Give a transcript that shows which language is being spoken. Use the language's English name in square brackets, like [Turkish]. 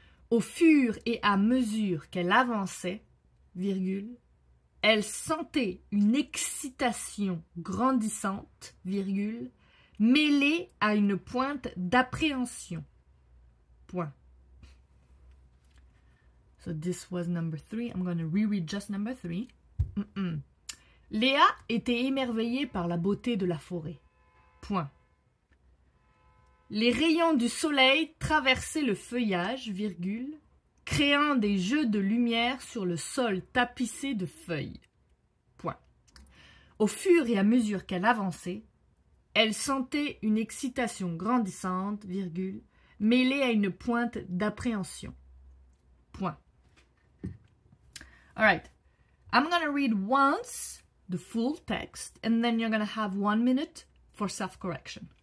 [French] Au fur et à mesure qu'elle avançait, virgule, elle sentait une excitation grandissante, virgule, mêlée à une pointe d'appréhension. Point. [English] So this was number three. I'm going to reread just number three. Mm-mm. [French] Léa était émerveillée par la beauté de la forêt. Point. Les rayons du soleil traversaient le feuillage, virgule, créant des jeux de lumière sur le sol tapissé de feuilles. Point. Au fur et à mesure qu'elle avançait, elle sentait une excitation grandissante, virgule, mêlée à une pointe d'appréhension. Point. [English] All right. I'm going to read once the full text and then you're going to have 1 minute for self-correction.